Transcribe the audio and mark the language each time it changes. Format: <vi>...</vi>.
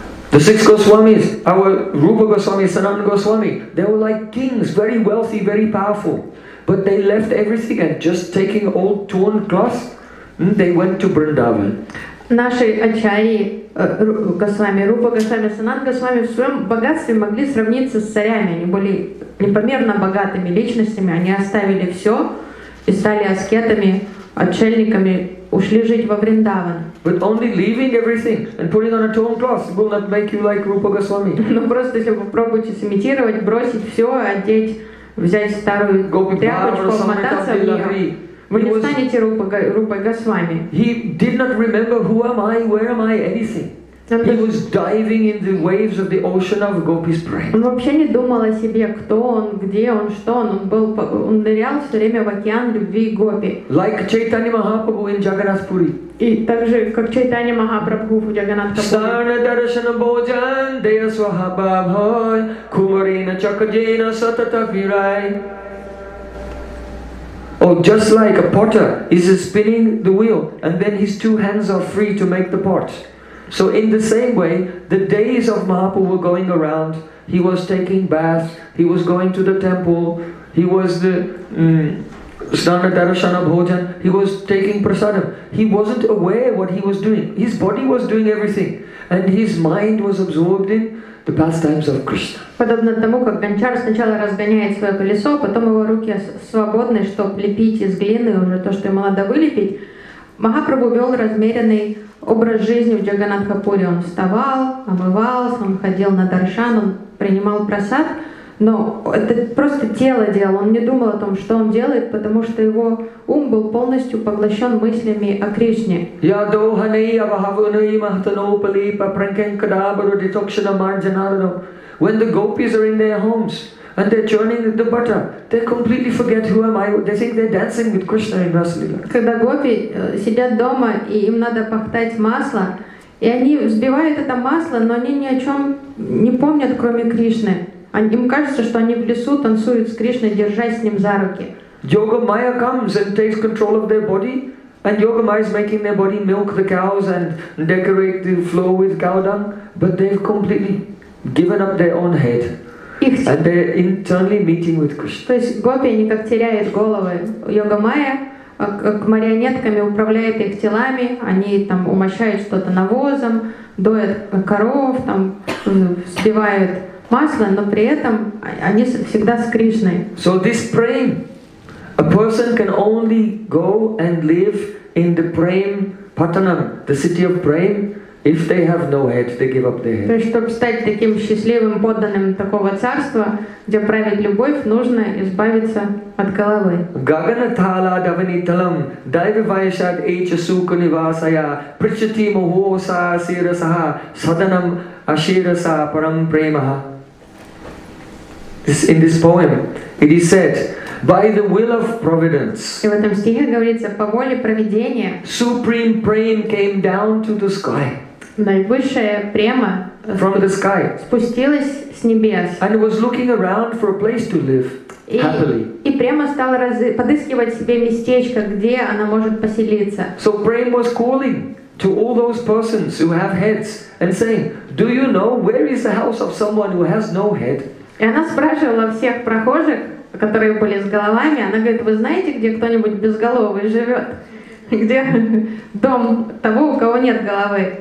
<en>The six Goswamis, our Rupa Goswami, Sanatana Goswami, they were like kings, very wealthy, very powerful. But they left everything and just taking old torn cloths, they went to Vrindavan.</en> <ru>Наши Ачарьи Госвами, Рупа Госвами, Санат Госвами в своем богатстве могли сравниться с царями. Они были непомерно богатыми личностями. Они оставили все и стали аскетами, отшельниками, ушли жить во Вриндаван.</ru> <en>But only leaving everything and putting on a torn cloth will not make you like Rupa Goswami.</en> <ru>Ну просто если попробуете сымитировать, бросить все, одеть, взять старую тряпочку, обмотаться в нее. Вы не станете Рупой Госвами.</ru> <en>He did not remember who am I, where am I, anything. He was diving in the waves of the ocean of Gopi's brain.</en> <ru>Он вообще не думал о себе, кто он, где он, что он. Он нырял все время в океан любви Гопи.</ru> <en>Like Chaitanya Mahaprabhu in Jagannath Puri.</en> <ru>И также как Chaitanya Mahaprabhu в Jagannath Puri.</ru> <sa>Sarna darshana bhojan deya swaha bhavai kumarina chakajena satata virai.</sa> <en>Oh, just like a potter is spinning the wheel and then his two hands are free to make the pot. So in the same way, the days of Mahaprabhu were going around. He was taking baths, he was going to the temple, he was the Snana Darshana Bhojan, he was taking prasadam. He wasn't aware what he was doing. His body was doing everything and his mind was absorbed in the pastimes of Krishna.</en> <ru>Подобно тому, как гончар сначала разгоняет свое колесо, потом его руки свободны, чтобы лепить из глины уже то, что ему надо вылепить, Махапрабху вел размеренный образ жизни в Джаганатхапуре. Он вставал, омывался, он ходил на даршан, он принимал прасад, но это просто тело делал, он не думал о том, что он делает, потому что его ум был полностью поглощен мыслями о Кришне. Я долганый, авахавуный, махтанопали, папранкенкадабару, детокшина марджанарану.</ru> <en>When the gopis are in their homes and they're churning the butter, they completely forget who am I. They think they're dancing with Krishna in Rasalila.</en> <ru>Когда гопи сидят дома и им надо пахтать масло, и они взбивают это масло, но они ни о чем не помнят, кроме Кришны. Им кажется, что они в лесу танцуют с Кришной, держась с ним за руки.</ru> <en>Yoga Maya comes and takes control of their body, and Yoga Maya is making their body milk the cows and decorate the floor with cow dung, but they've completely given up their own head, and they're internally meeting with Krishna.</en> <ru>То есть гопи они как теряют головы. Йога Майя как марионетками управляет их телами. Они там умощают что-то навозом, доят коров, там взбивают масло, но при этом они всегда с Кришной.</ru> <en>So this prem, a person can only go and live in the prem patanam, the city of prem. If they have no head, they give up their head.</en> <ru>То есть, чтобы стать таким счастливым подданным такого царства, где правит любовь, нужно избавиться от головы.</ru> <sa>Gaganathala Davanitalam Daivivayashad Echasuka Nivasaya Prichati Mahosa Sirasaha Sadhanam Ashirasa Param Premaha.</sa> <en>In this poem, it is said, by the will of providence.</en> <ru>И в этом стихе говорится, по воле проведения.</ru> <en>Supreme Prem came down to the sky.</en> <ru>Наивысшая према спустилась с небес.</ru> <en>And was looking around for a place to live happily.</en> <ru>И према стала подыскивать себе местечко, где она может поселиться.</ru> <en>So Prem was calling to all those persons who have heads and saying, do you know where is the house of someone who has no head?</en> <ru>И она спрашивала всех прохожих, которые были с головами, она говорит, вы знаете, где кто-нибудь безголовый живет? Где дом того, у кого нет головы?</ru>